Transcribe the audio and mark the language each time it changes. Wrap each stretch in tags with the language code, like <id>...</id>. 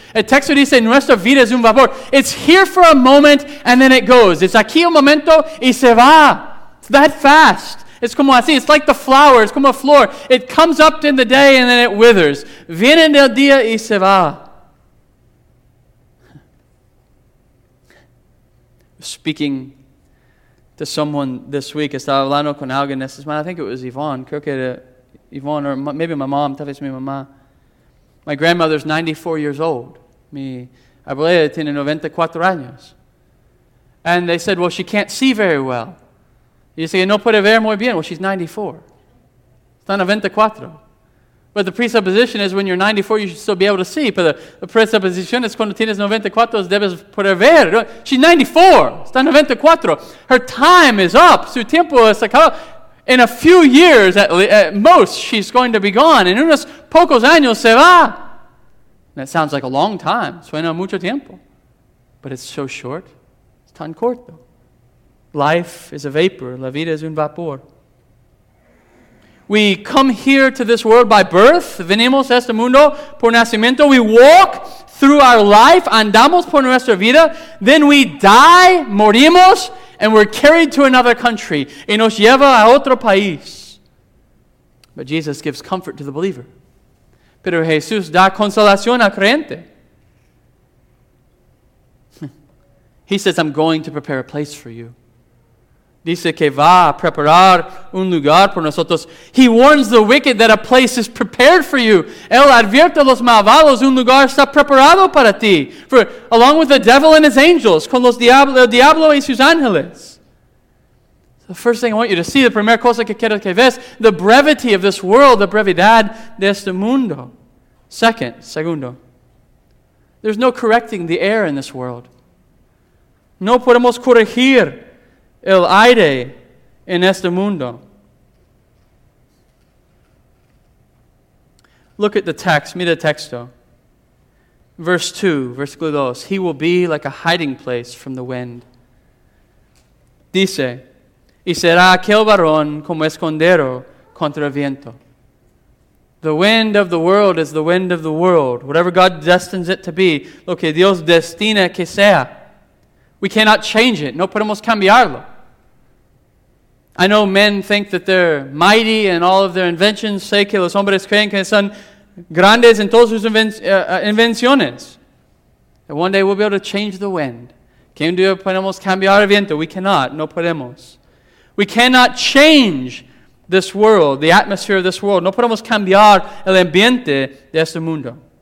<es>El texto dice nuestra vida es un vapor.</es> <en>It's here for a moment and then it goes. It's aquí un momento y se va. It's that fast. It's como así. It's like the flower. It's como a flor. It comes up in the day and then it withers.</en> <es>Viene en el día y se va.</es> <en>Speaking to someone this week. Estaba hablando con alguien esta semana. I think it was Yvonne.</en> <es>Creo que era Yvonne, or maybe my mom. Tal vez mi mamá.</es> <en>My grandmother's 94 years old. Mi abuela tiene 94 años. And they said, well, she can't see very well. You say, no puede ver muy bien. Well, she's 94. Está 94. But the presupposition is when you're 94, you should still be able to see.</en> <es>Pero la presupposición es cuando tienes 94, debes poder ver.</es> <en>She's 94. Está 94. Her time is up. Su tiempo es acabado. In a few years, at most, she's going to be gone. En unos pocos años, se va. And that sounds like a long time. Suena mucho tiempo. But it's so short. It's tan corto. Life is a vapor. La vida es un vapor. We come here to this world by birth. Venimos a este mundo por nacimiento. We walk through our life. Andamos por nuestra vida. Then we die, morimos, and we're carried to another country. Y nos lleva a otro país. But Jesus gives comfort to the believer.</en> <es>Pero Jesús da consolación al creyente.</es> <en>He says, I'm going to prepare a place for you.</en> <es>Dice que va a preparar un lugar por nosotros.</es> <en>He warns the wicked that a place is prepared for you.</en> <es>Él advierte a los malvados, un lugar está preparado para ti.</es> <en>For, along with the devil and his angels, con los diablo y sus ángeles. The first thing I want you to see, the primera cosa que quiero que ves, the brevity of this world, the brevidad de este mundo.</en> <es>Segundo. There's no correcting the air in this world. No podemos corregir el aire en este mundo.</es> <en>Look at the text. Mira el texto. Verse 2, versículo 2. He will be like a hiding place from the wind.</en> <es>Dice, y será aquel varón como escondero contra el viento.</es> <en>The wind of the world is the wind of the world. Whatever God destines it to be, lo que Dios destina que sea. We cannot change it. No podemos cambiarlo. I know men think that they're mighty in all of their inventions.</en> <es>Sé que los hombres creen que son grandes en todas sus invenciones.</es> <en>And one day we'll be able to change the wind. ¿Qué día podemos cambiar el viento? We cannot. No podemos. We cannot change this world, the atmosphere of this world.</en> <es>No podemos cambiar el ambiente de este mundo.</es>